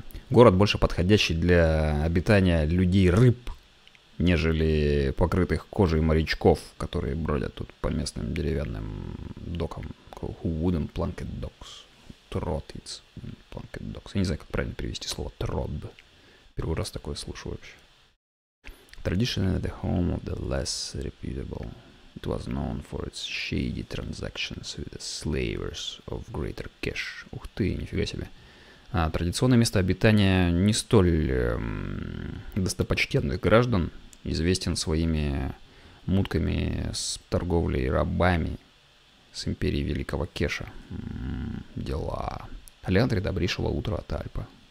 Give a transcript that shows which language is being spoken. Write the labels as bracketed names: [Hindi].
[Russian] Город больше подходящий для обитания людей-рыб, нежели покрытых кожей морячков, которые бродят тут по местным деревянным докам. [English] Wooden planked docks. Trod its wooden planked docks. [Russian] Я не знаю, как правильно перевести слово «трод». Первый раз такое слышу вообще. [English] Traditionally the home of the less reputable. It was known for its shady transactions with the slavers of greater cash. [Russian] Ух ты, нифига себе. А, традиционное место обитания не столь достопочтенных граждан. Известен своими мутками с торговлей рабами. с империи Великого Кеша. Дела. Леандре, добрейшего утра от Альпа.